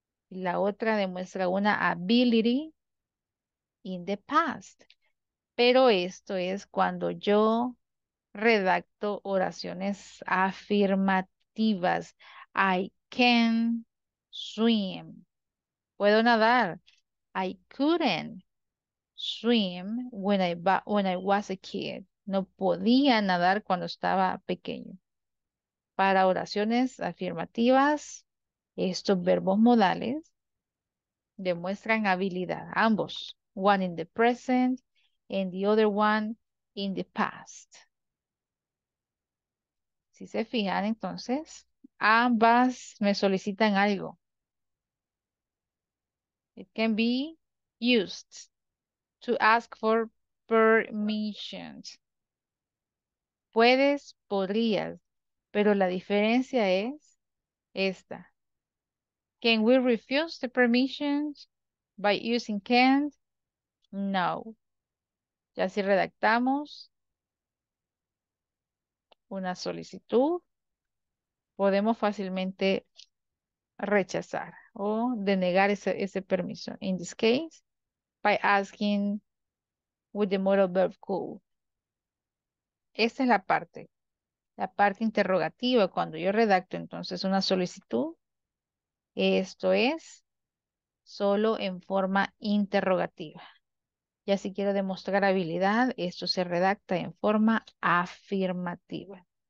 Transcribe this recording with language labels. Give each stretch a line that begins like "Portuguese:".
Spanish: La otra demuestra una
English: ability in the past.
Spanish: Pero esto es cuando yo redacto oraciones afirmativas.
English: I can swim.
Spanish: Puedo nadar.
English: I couldn't swim when I was a kid.
Spanish: No podía nadar cuando estaba pequeño. Para oraciones afirmativas, estos verbos modales demuestran habilidad. Ambos.
English: One in the present and the other one in the past.
Spanish: Si se fijan, entonces, ambas me solicitan algo.
English: It can be used to ask for permissions.
Spanish: Puedes, podrías, pero la diferencia es esta.
English: Can we refuse the permissions by using can't? No.
Spanish: Ya si redactamos una solicitud, podemos fácilmente rechazar o denegar ese permiso.
English: In this case, by asking with the modal verb could.
Spanish: Esta es la parte interrogativa. Cuando yo redacto entonces una solicitud, esto es solo en forma interrogativa. Ya si quiero demostrar habilidad, esto se redacta en forma afirmativa.